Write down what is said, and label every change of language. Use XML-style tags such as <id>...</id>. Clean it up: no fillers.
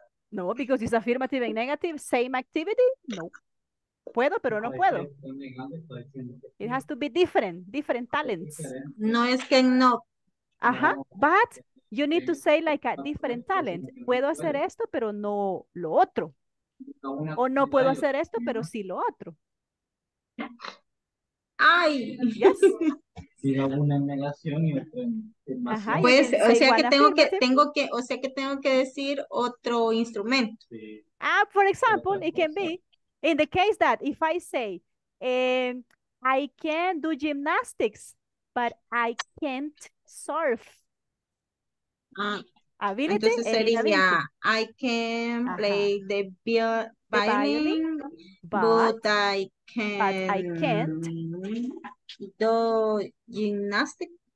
<en>No, because it's affirmative and negative. Same activity? No.</en> <es>Puedo, pero no puedo.</es> <en>It has to be different. Different talents.</en> <es>No es que no. Ajá.</es> <en>But you need to say like a different talent.</en> <es>Puedo hacer esto, pero no lo otro. O no puedo hacer esto, pero sí lo otro. Ay.</es> <en>Yes.</en> <es>Una negación y otra pues, o sea que tengo que decir otro instrumento.</es> <en>Ah, for example, it can be in the case that if I say I can do gymnastics, but I can't surf. Ability.</en> <es>Entonces sería</es> <en>I can play the violin, but I can't do gymnastics.</en>